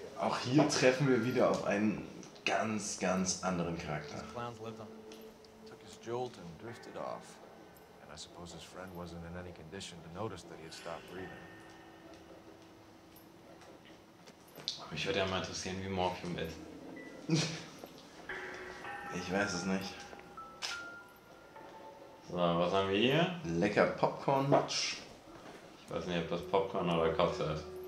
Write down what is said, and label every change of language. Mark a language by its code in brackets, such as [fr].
[de] Auch hier treffen wir wieder auf einen ganz, ganz anderen Charakter. [en] Took his jolt and drifted off. And I suppose his friend wasn't in any condition to notice that he had stopped breathing. [de] Mich würde ja mal interessieren, wie Morphium ist. Ich weiß es nicht. So, was haben wir hier? Lecker Popcorn-Matsch. Ich weiß nicht, ob das Popcorn oder Kaffee ist.